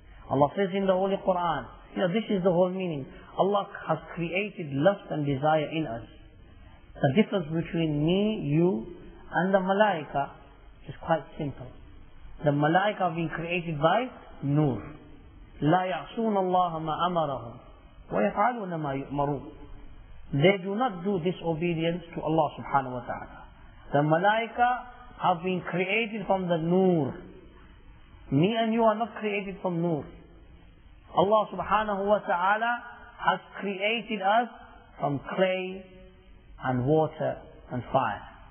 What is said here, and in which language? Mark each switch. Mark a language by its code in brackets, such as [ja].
[en] Allah says in the Holy Quran, you know, this is the whole meaning. Allah has created lust and desire in us. The difference between me, you, and the malaika is quite simple. The malaika have been created by Nur. [ar] لا يعصون الله ما أمرهم ويفعلون ما يؤمرون. [en] They do not do disobedience to Allah subhanahu wa ta'ala. The malaika have been created from the nur. Me and you are not created from nur. Allah subhanahu wa ta'ala has created us from clay and water and fire.